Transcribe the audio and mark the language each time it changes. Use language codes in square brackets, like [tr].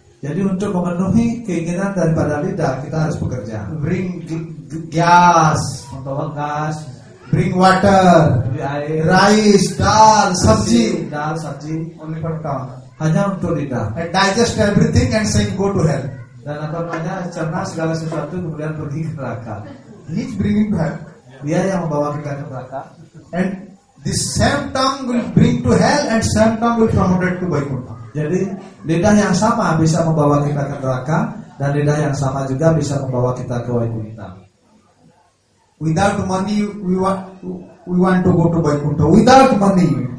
[id] Jadi untuk memenuhi keinginan daripada lidah, kita harus bekerja. [en] Bring gas, [id] membawa gas. [en] Bring water, [id] air, [en] rice, dal, sabji. [hi] Dal, sabji. [en] Only for tongue. [id] Hanya untuk lidah. [en] And digest everything and saying go to hell. [id] Dan apa namanya cerna segala sesuatu kemudian pergi ke neraka. [en] He's bringing back. [id] Dia yang membawa kita ke neraka. [en] And this same tongue will bring to hell and same tongue will promote it to Vaikuntha. [id] Jadi lidah yang sama bisa membawa kita ke neraka dan lidah yang sama juga bisa membawa kita ke Vaikuntha. [en] Without money, we want we want to go to Vaikuntha without money.